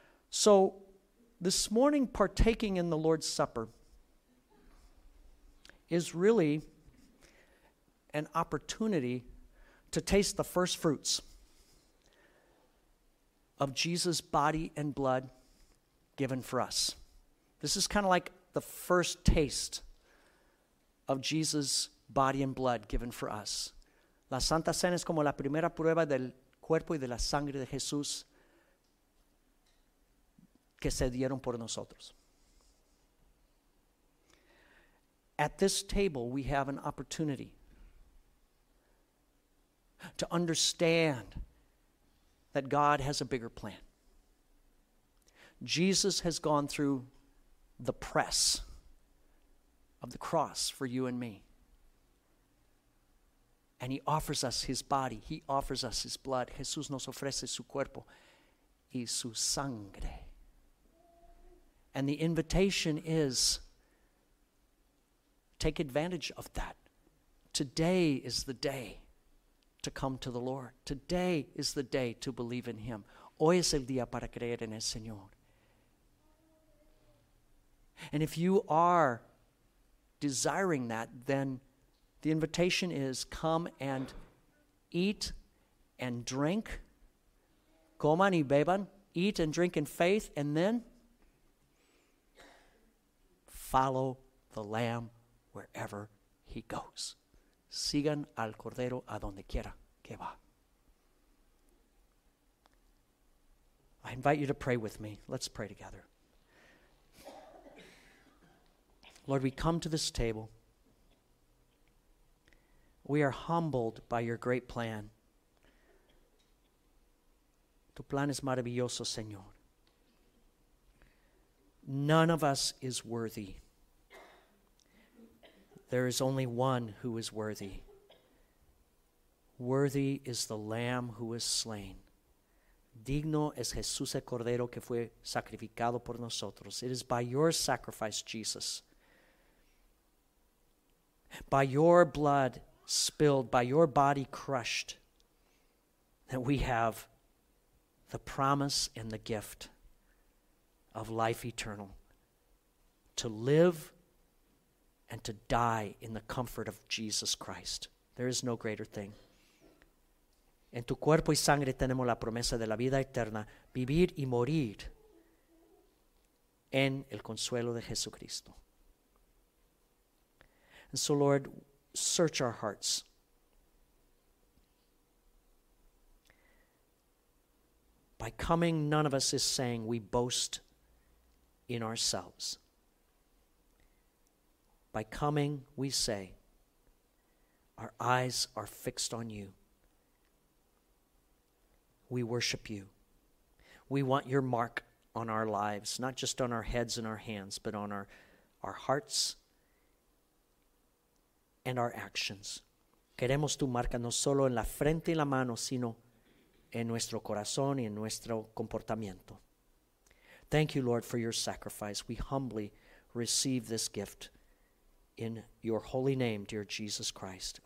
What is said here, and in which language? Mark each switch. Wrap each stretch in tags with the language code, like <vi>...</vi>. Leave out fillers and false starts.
<en>So, this morning, partaking in the Lord's Supper is really an opportunity to taste the first fruits of Jesus' body and blood given for us. This is kind of like the first taste of Jesus' body and blood given for us.</en> <es>La Santa Cena es como la primera prueba del cuerpo y de la sangre de Jesús que se dieron por nosotros.</es> <en>At this table, we have an opportunity to understand that God has a bigger plan. Jesus has gone through the press of the cross for you and me. And he offers us his body. He offers us his blood.</en> <es>Jesús nos ofrece su cuerpo y su sangre.</es> <en>And the invitation is, take advantage of that. Today is the day to come to the Lord. Today is the day to believe in him.</en> <es>Hoy es el día para creer en el Señor.</es> <en>And if you are desiring that, then the invitation is, come and eat and drink.</en> <es>Coman y beban.</es> <en>Eat and drink in faith, and then follow the Lamb wherever he goes.</en> <es>Sigan al Cordero a donde quiera que va.</es> <en>I invite you to pray with me. Let's pray together. Lord, we come to this table. We are humbled by your great plan.</en> <es>Tu plan es maravilloso, Señor.</es> <en>None of us is worthy. There is only one who is worthy. Worthy is the Lamb who is slain.</en> <es>Digno es Jesús el Cordero que fue sacrificado por nosotros.</es> <en>It is by your sacrifice, Jesus. By your blood spilled, by your body crushed, that we have the promise and the gift of life eternal, to live and to die in the comfort of Jesus Christ. There is no greater thing.</en> <es>En tu cuerpo y sangre tenemos la promesa de la vida eterna, vivir y morir en el consuelo de Jesucristo.</es> <en>And so, Lord, search our hearts. By coming, none of us is saying we boast in ourselves. By coming, we say our eyes are fixed on you. We worship you. We want your mark on our lives, not just on our heads and our hands, but on our hearts and our actions.</en> <es>Queremos tu marca no solo en la frente y la mano, sino en nuestro corazón y en nuestro comportamiento.</es> <en>Thank you, Lord, for your sacrifice. We humbly receive this gift in your holy name, dear Jesus Christ.</en>